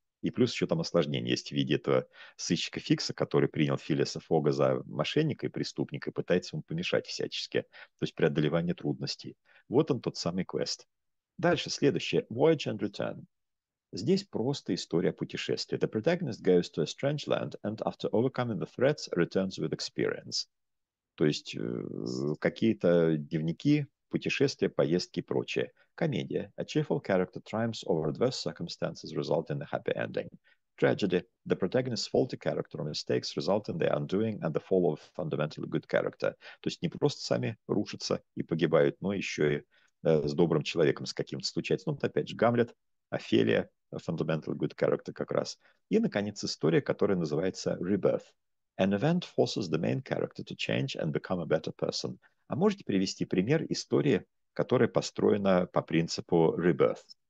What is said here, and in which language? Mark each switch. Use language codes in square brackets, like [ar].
[ru] И плюс еще там осложнение есть в виде этого сыщика Фикса, который принял Филлиса Фога за мошенника и преступника и пытается ему помешать всячески. То есть преодолевание трудностей. Вот он, тот самый квест. Дальше, следующее. Voyage and Return. Здесь просто история путешествия. [en] The protagonist goes to a strange land and after overcoming the threats, returns with experience. [ru] То есть какие-то дневники, путешествия, поездки и прочее. Комедия. [en] A cheerful character triumphs over adverse circumstances, resulting in a happy ending. Tragedy. The protagonist's faulty character or mistakes result in their undoing and the fall of fundamentally good character. [ru] То есть не просто сами рушатся и погибают, но еще и с добрым человеком с каким-то случается. Ну, вот опять же, Гамлет, Офелия, [en] fundamental good character [ru] как раз. И, наконец, история, которая называется Rebirth. [en] An event forces the main character to change and become a better person. [ru] А можете привести пример истории, которая построена по принципу Rebirth?